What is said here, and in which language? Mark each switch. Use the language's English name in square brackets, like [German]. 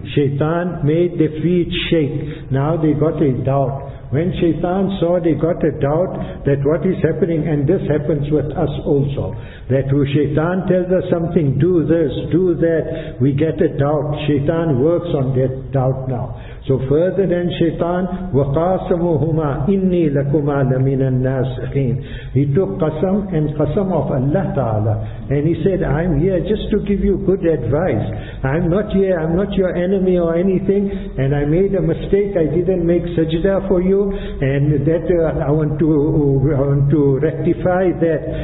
[English] Shaitan made the feet shake. Now they got a doubt. When Shaitan saw they got a doubt that what is happening, and this happens with us also, that when Shaitan tells us something, do this, do that, we get a doubt. Shaitan works on that doubt now. So further than Shaitan, [Arabic] وَقَاسَمُهُمَا إِنِّي لَكُمَا لَمِنَ النَّاسِحِينَ. [English] He took qasam and qasam of Allah Ta'ala. And he said, I'm here just to give you good advice. I'm not here, I'm not your enemy or anything. And I made a mistake, I didn't make sajda for you. And that I want to rectify that.